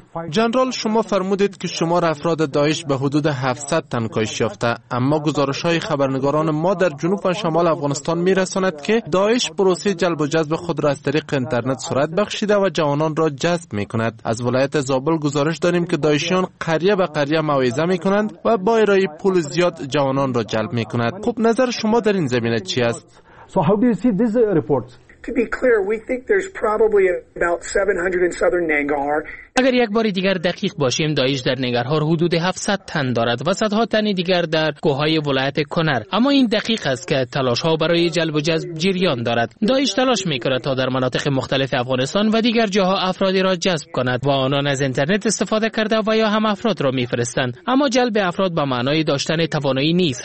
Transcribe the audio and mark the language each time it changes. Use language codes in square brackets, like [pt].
[fa] جنرال شما فرمودید که شمار افراد داعش به حدود 700 تن کاهش یافته، اما گزارش های خبرنگاران ما در جنوب و شمال افغانستان می رساند که داعش پروسه جلب و جذب خود را از طریق اینترنت سرعت بخشیده و جوانان را جذب می کند. از ولایت زابل گزارش داریم که داعشیان قریه به قریه موعظه می کنند و با ارائه پول زیاد جوانان را جلب می کند. خب نظر شما در این زمینه چی است؟ [en] To be clear, we think there's probably about 700 in southern Nangarhar. [fa] اگر یک بار دیگر دقیق باشیم، داعش در ننگرهار حدود 700 تن دارد و صدها تن دیگر در کوههای ولایت کنر، اما این دقیق است که تلاش ها برای جلب و جذب جریان دارد. داعش تلاش میکند تا در مناطق مختلف افغانستان و دیگر جاها افرادی را جذب کند و آنان از اینترنت استفاده کرده و یا هم افراد را میفرستند، اما جلب افراد به معنای داشتن توانایی نیست.